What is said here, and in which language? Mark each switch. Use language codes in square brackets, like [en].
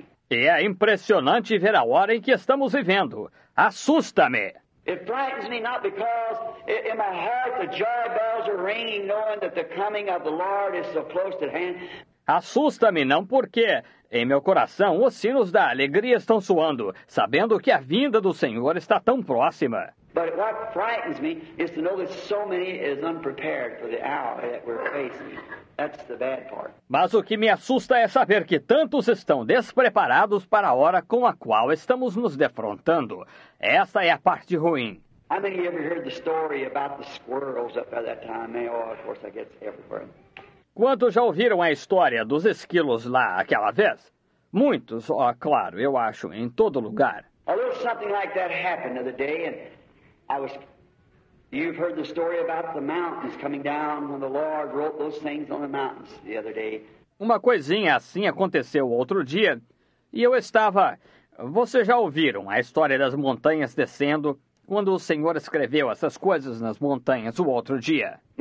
[pt] E é impressionante ver a hora em que estamos vivendo. Assusta-me. [en] It frightens me not because in my heart the joy bells are ringing, knowing that the coming of the Lord is so close at hand. [pt] Assusta-me não porque em meu coração os sinos da alegria estão soando, sabendo que a vinda do Senhor está tão próxima. [en] But what frightens me is to know that so many is unprepared for the hour that we're facing. That's the bad part. [pt] Mas o que me assusta é saber que tantos estão despreparados para a hora com a qual estamos nos defrontando. Essa é a parte ruim. [en] How many of you ever heard the story about the squirrels up at that time? They all, of course, I guess everywhere. [pt] Quantos já ouviram a história dos esquilos lá aquela vez? Muitos, ó, claro, eu acho, em todo lugar. [en] A little something like that happened the other day, and I was You've heard the story about the mountains coming down when the Lord wrote those things on the mountains the other day. [pt] Uma coisinha assim aconteceu outro dia, e eu estava... Vocês já ouviram a história das montanhas descendo quando o Senhor escreveu essas coisas nas montanhas o outro dia?